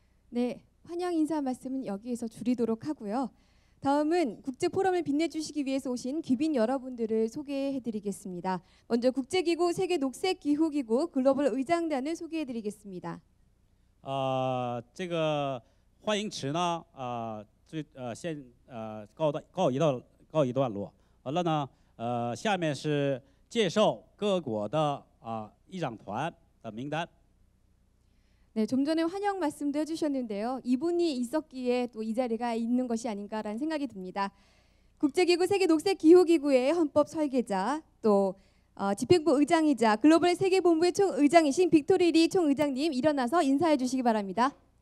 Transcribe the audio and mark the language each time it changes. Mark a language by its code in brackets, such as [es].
[ko] 네, 환영 인사 말씀은 여기에서 줄이도록 하고요. 다음은 국제 포럼을 빛내주시기 위해서 오신 귀빈 여러분들을 소개해드리겠습니다. 먼저 국제기구 세계 녹색기후기구 글로벌 의장단을 소개해드리겠습니다. [zh] 这个欢迎词呢，先告一段落。完了呢，下面是介绍各国的议长团的名单。 [ko] 네, 좀 전에 환영 말씀도 해주셨는데요. 이분이 있었기에 또 이 자리가 있는 것이 아닌가라는 생각이 듭니다. 국제기구 세계녹색기후기구의 헌법 설계자, 또 집행부 의장이자 글로벌 세계본부의 총의장이신 빅토리 리 총의장님 일어나서 인사해 주시기 바랍니다.